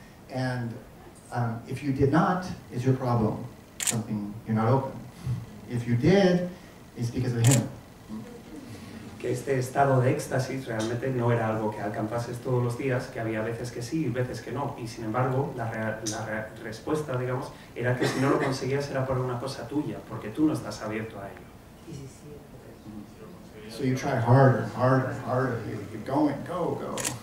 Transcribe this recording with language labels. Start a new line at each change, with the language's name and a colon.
English: And if you did not, it's your problem, something, you're not open. If you did, it's because of him.
Spanish: Que este estado de éxtasis realmente no era algo que alcanzases todos los días, que había veces que sí y veces que no, y sin embargo, la respuesta, digamos, era que si no lo conseguías era por una cosa tuya, porque tú no estás abierto a ello.
English: So you try harder, harder, harder, you keep going, go, go.